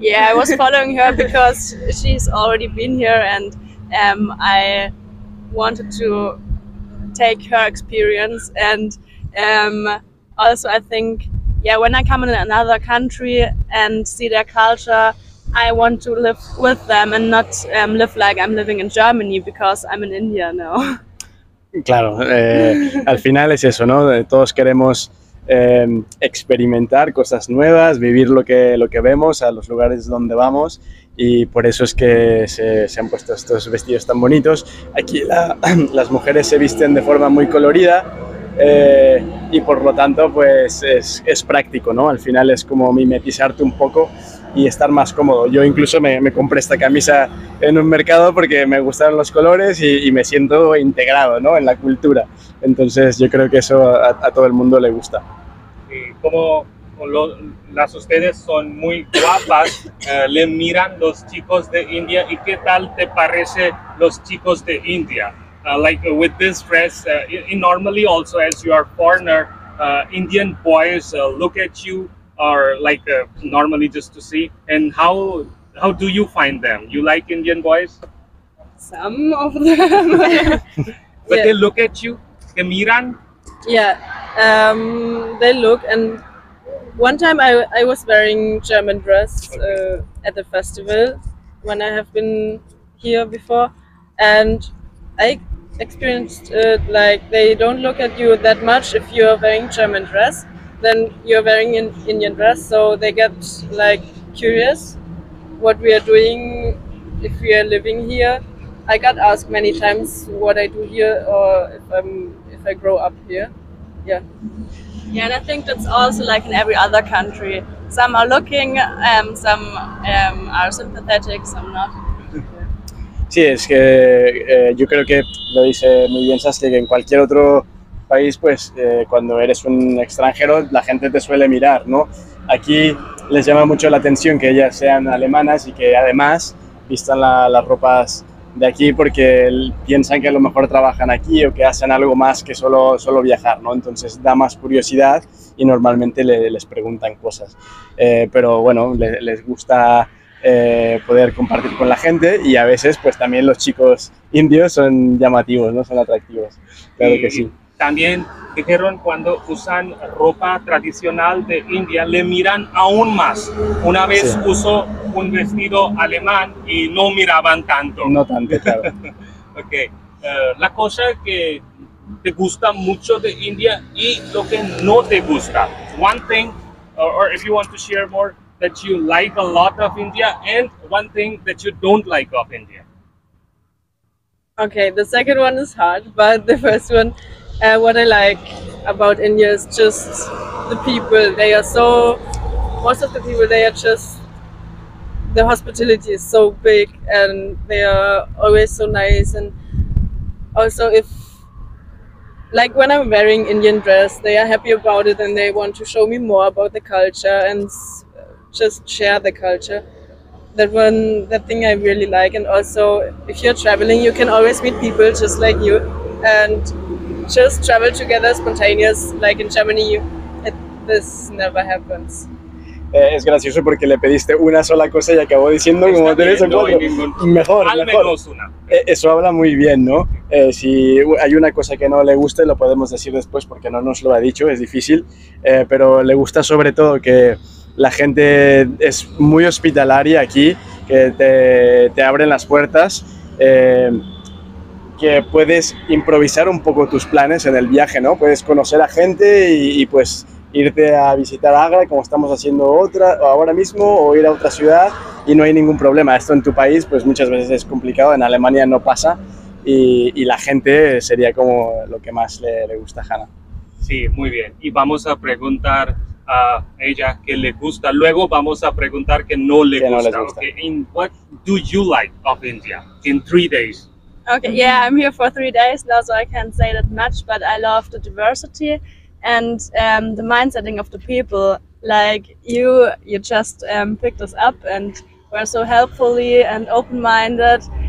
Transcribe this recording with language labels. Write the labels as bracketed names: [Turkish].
[English] Yeah, I was following her because she's already been here, and I wanted to take her experience. And also I think, yeah, when I come in another country and see their culture, I want to live with them and not live like I'm living in Germany because I'm in India now. [Spanish] Claro, al final es eso, ¿no? Todos queremos experimentar cosas nuevas, vivir lo que vemos a los lugares donde vamos, y por eso es que se han puesto estos vestidos tan bonitos. Aquí las mujeres se visten de forma muy colorida, y por lo tanto pues es práctico, ¿no? Al final es como mimetizarte un poco y estar más cómodo. Yo incluso me compré esta camisa en un mercado porque me gustaron los colores y me siento integrado, ¿no?, en la cultura. Entonces yo creo que eso a todo el mundo le gusta. Sí, como las ustedes son muy guapas, le miran los chicos de India. ¿Y qué tal te parece los chicos de India? [English] Like with this dress, normally also as you are foreigner, Indian boys look at you or like normally just to see. And how do you find them? You like Indian boys? Some of them. But yeah, they look at you, [Spanish] que miran. [English] Yeah, they look, and one time I was wearing German dress at the festival when I have been here before, and I experienced it like they don't look at you that much if you are wearing German dress, then you're wearing an Indian dress, so they get like curious what we are doing, if we are living here. I got asked many times what I do here or if I grow up here. Yeah, and I think that's also like in every other country. Some are looking, some are sympathetic, some not. [Spanish] Sí, es que yo creo que lo dice muy bien Saskia, que en cualquier otro país, pues cuando eres un extranjero, la gente te suele mirar, ¿no? Aquí les llama mucho la atención que ellas sean alemanas y que además vistan las ropas de aquí porque piensan que a lo mejor trabajan aquí o que hacen algo más que solo viajar, ¿no? Entonces da más curiosidad y normalmente les preguntan cosas. Pero bueno, les gusta poder compartir con la gente y a veces pues también los chicos indios son llamativos, ¿no? Son atractivos, claro que sí. También dijeron cuando usan ropa tradicional de India le miran aún más. Una vez sí. Usó un vestido alemán y no miraban tanto. No tanto, claro. Ok. La cosa que te gusta mucho de India y lo que no te gusta. [English] One thing, or if you want to share more, that you like a lot of India and one thing that you don't like of India. Okay, the second one is hard, but the first one, what I like about India is just the people. They are so, most of the people, they are just, the hospitality is so big and they are always so nice. And also if, like when I'm wearing Indian dress, they are happy about it and they want to show me more about the culture and just share the culture. That thing I really like. And also if you're traveling, you can always meet people just like you and just travel together spontaneous, like in Germany, this never happens. [Spanish] Es gracioso porque le pediste una sola cosa y acabó diciendo como tres o cuatro. Mejor, al mejor. Menos una. Eso habla muy bien, ¿no? Si hay una cosa que no le gusta, lo podemos decir después porque no nos lo ha dicho, es difícil, pero le gusta sobre todo que la gente es muy hospitalaria aquí, que te abren las puertas, que puedes improvisar un poco tus planes en el viaje, ¿no? Puedes conocer a gente y pues irte a visitar Agra, como estamos haciendo ahora mismo, o ir a otra ciudad y no hay ningún problema. Esto en tu país pues muchas veces es complicado, en Alemania no pasa y la gente sería como lo que más le gusta a Hanna. Sí, muy bien. Y vamos a preguntar a ella que le gusta, luego vamos a preguntar que no le que gusta. No les gusta. [English] Okay. In what do you like of India in 3 days? Okay, yeah, I'm here for 3 days now, so I can't say that much, but I love the diversity and the mindsetting of the people. Like you just picked us up and were so helpfully and open-minded.